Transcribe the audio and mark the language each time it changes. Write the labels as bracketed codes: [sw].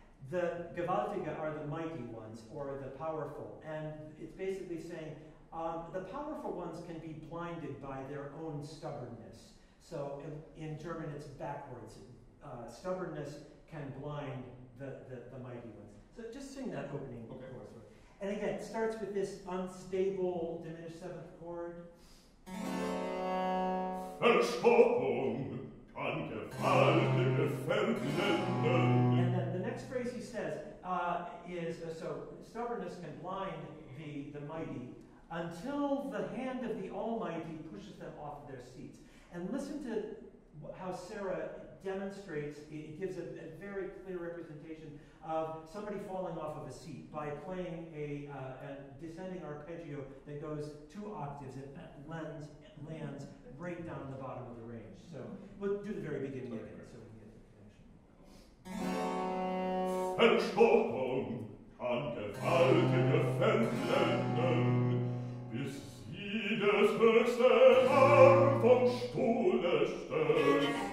[en] The gewaltige are the mighty ones or the powerful, and it's basically saying the powerful ones can be blinded by their own stubbornness. So in German it's backwards. Stubbornness can blind the mighty ones. So just sing that opening chord. Okay. And again, it starts with this unstable diminished seventh chord. [de] Verstockung kann gewaltige verblenden. [en] Phrase he says is stubbornness can blind the mighty until the hand of the Almighty pushes them off of their seats. And listen to how Sarah demonstrates, it gives a very clear representation of somebody falling off of a seat by playing a descending arpeggio that goes two octaves and lands right down the bottom of the range. So we'll do the very beginning of it so we can get the connection. [de] Verstockung kann gewaltige verblenden, bis sie des Höchsten Arm vom Stuhle stößt.